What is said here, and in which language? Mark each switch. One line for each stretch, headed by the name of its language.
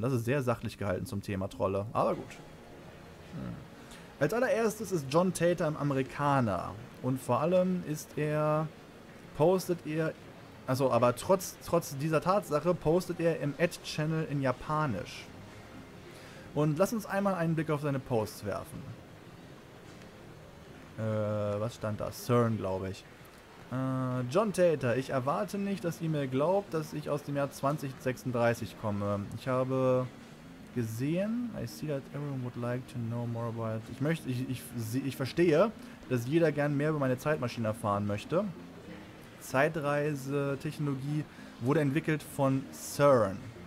German: Das ist sehr sachlich gehalten zum Thema Trolle, aber gut. Als allererstes ist John Tater ein Amerikaner und vor allem trotz dieser Tatsache postet er im Ad-Channel in Japanisch. Und lass uns einmal einen Blick auf seine Posts werfen. Was stand da? CERN, glaube ich. John Tater, ich erwarte nicht, dass ihr mir glaubt, dass ich aus dem Jahr 2036 komme. Ich habe gesehen,
English: I see that everyone would like to know more about...
German: Ich verstehe, dass jeder gern mehr über meine Zeitmaschine erfahren möchte. Zeitreisetechnologie wurde entwickelt von CERN.